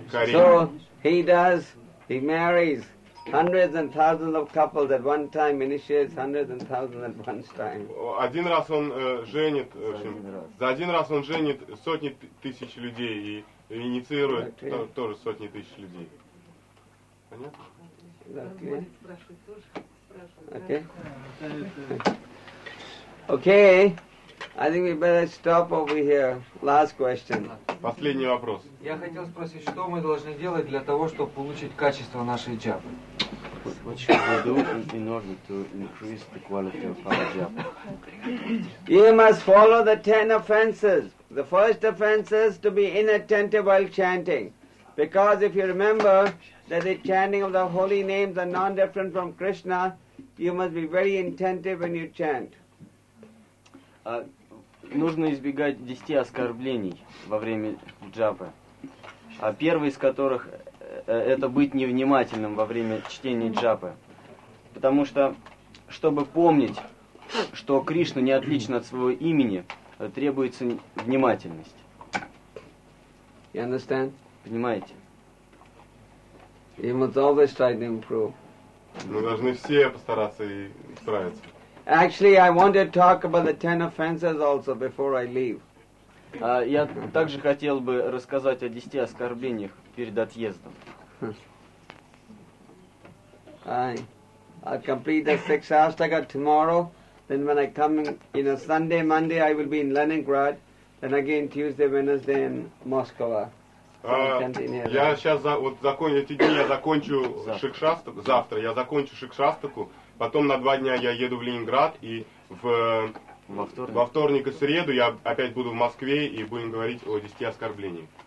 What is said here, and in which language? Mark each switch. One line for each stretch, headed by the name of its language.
English: So, he marries hundreds and thousands of couples at one time, initiates hundreds and thousands at one time.
Russian: Один раз он женит, в общем, за один раз он женит сотни тысяч людей и инициирует тоже сотни тысяч людей. Понятно?
English: Okay. I think we better stop over here. Last question.
Russian: Последний вопрос. Я хотел спросить, что мы должны делать для того, чтобы получить качество нашей джапы?
English: What should we do in order to increase the quality of our japa? You must follow the 10 offenses. The first offense is to be inattentive while chanting. Because if you remember that the chanting of the holy names are non-different from Krishna, you must be very attentive when you chant.
Russian: Нужно избегать 10 оскорблений во время джапы. Первый из которых это быть невнимательным во время чтения джапы. Потому что, чтобы помнить, что Кришна не отлична от своего имени, требуется внимательность.
English: You understand?
Russian: Понимаете?
English: You must always try to improve.
Russian: Мы должны все постараться и справиться.
English: Actually, I want to talk about the 10 offenses also before I leave.
Russian: Я также хотел бы рассказать о 10 оскорблениях перед отъездом.
English: I'll complete the 6 ashtaka tomorrow. Then when I come, you know, Sunday, Monday, I will be in Leningrad. Then again, Tuesday, Wednesday, in Moscow.
Russian: Я сейчас закончу эти дни, я закончу шикшастаку, завтра я закончу шикшастаку, потом на два дня я еду в Ленинград, и во вторник и среду я опять буду в Москве и будем говорить о 10 оскорблениях.